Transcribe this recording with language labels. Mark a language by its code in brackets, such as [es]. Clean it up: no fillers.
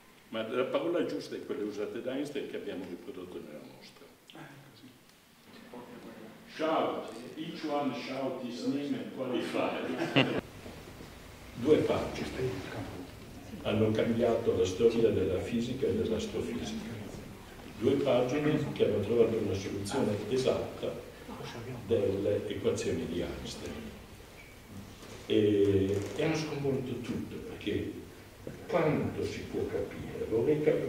[it] Ma la parola giusta è quella usata da Einstein che abbiamo riprodotto nella mostra. [en] Shout, each one shout his name and qualify. [it] Due pagine hanno cambiato la storia della fisica e dell'astrofisica. Due pagine che hanno trovato una soluzione esatta delle equazioni di Einstein. E hanno sconvolto tutto, perché quanto si può capire?